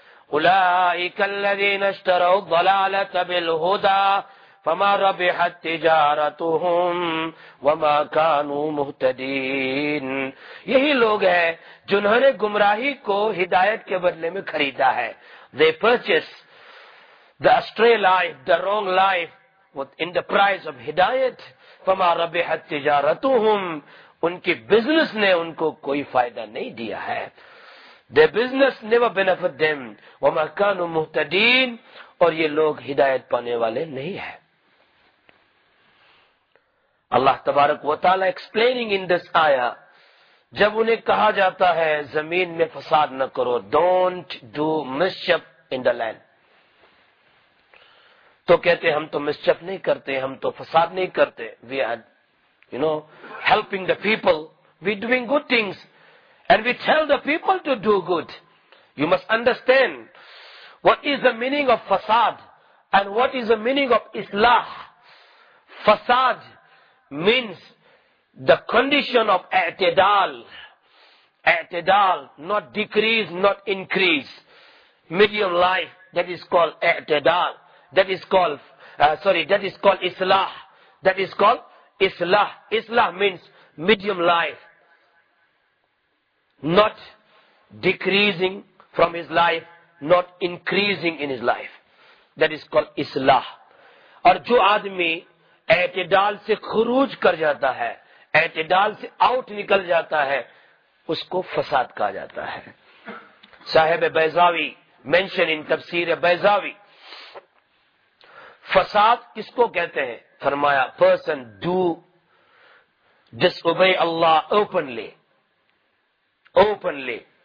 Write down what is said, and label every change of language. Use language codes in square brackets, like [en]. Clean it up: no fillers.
[ar] اولئک الذین اشتروا الضلالۃ بالہدا فما ربحت تجارتہم وما کانوا مہتدین, [ur] یہی لوگ ہیں جنہوں نے گمراہی کو ہدایت کے بدلے میں خریدا ہے. [en] They purchase the astray life, the wrong life in the price of ہدایت. [ar] فما ربحت تجارتہم, [ur] ان کی بزنس نے ان کو کوئی فائدہ نہیں دیا ہے. [en] Their business never benefit them. [ar] وَمَا كَانُوا مُحْتَدِينَ, [ur] اور یہ لوگ ہدایت پانے والے نہیں ہیں. اللہ تبارک و تعالیٰ [en] explaining in this ayah, [ur] جب انہیں کہا جاتا ہے زمین میں فساد نہ کرو, [en] don't do mischief in the land, [ur] تو کہتے ہیں ہم تو mischief نہیں کرتے, ہم تو فساد نہیں کرتے. [en] We are, you know, helping the people, we doing good things. And we tell the people to do good. You must understand what is the meaning of fasad and what is the meaning of islah. Fasad means the condition of i'tidal. I'tidal, not decrease, not increase. Medium life, that is called i'tidal. That is called islah. That is called Islah. Islah means medium life. Not decreasing from his life, not increasing in his life. That is called Islah. [ur] اور جو آدمی اعتدال سے خروج کر جاتا ہے, اعتدال سے آؤٹ نکل جاتا ہے, اس کو فساد کہا جاتا ہے. صاحب بیضاوی mention in تفسیر بیضاوی, فساد کس کو کہتے ہیں؟ فرمایا [en] person do disobey Allah openly, openly